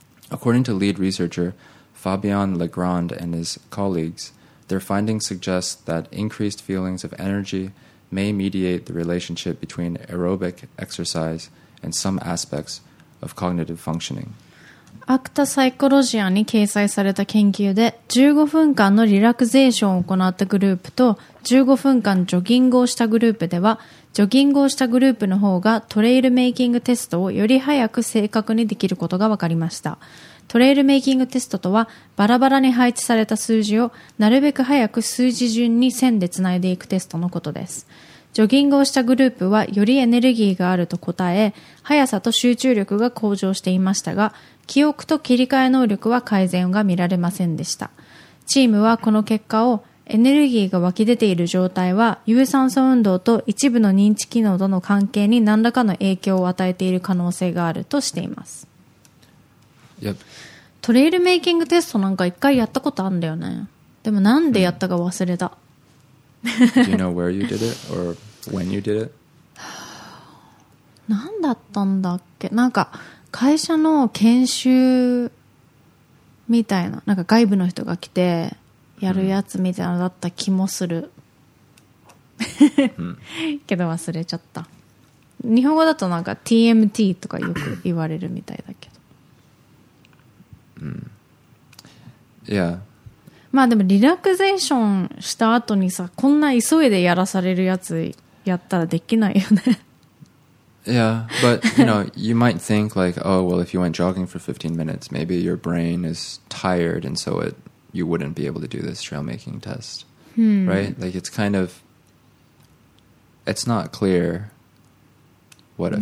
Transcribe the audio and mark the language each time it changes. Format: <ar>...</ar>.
<en>According to lead researcher Fabian Legrand and his colleagues, their findings suggest that increased feelings of energy may mediate the relationship between aerobic exercise and some aspects of cognitive functioning.</en> <ja>アクタサイコロジアに掲載された研究で15分間のリラクゼーションを行ったグループと15分間ジョギングをしたグループではジョギングをしたグループの方がトレイルメイキングテストをより早く正確にできることが分かりました。トレイルメイキングテストとはバラバラに配置された数字をなるべく早く数字順に線でつないでいくテストのことです。ジョギングをしたグループはよりエネルギーがあると答え、速さと集中力が向上していましたが、記憶と切り替え能力は改善が見られませんでした。チームはこの結果を、エネルギーが湧き出ている状態は有酸素運動と一部の認知機能との関係に何らかの影響を与えている可能性があるとしています。</ja> <en>Yep.</en> <ja>トレイルメイキングテストなんか一回やったことあるんだよね。でもなんでやったか忘れた。</ja> <en>Do you know where you did it or when you did it?</en> <ja>何だったんだっけ、なんか会社の研修みたいな、なんか外部の人が来てやるやつみたいなだった気もする、mm. けど忘れちゃった。日本語だとなんか TMT とかよく言われるみたいだけど、</ja> <en>Yeah。</en> <ja>まあでもリラクゼーションした後にさ、こんな急いでやらされるやつやったらできないよね。</ja> <en>Yeah, but you know, you might think like, oh well, if you went jogging for 15 minutes, maybe your brain is tired and so it you wouldn't be able to do this trail making test, right? Like it's kind of, it's not clear what effect.</en>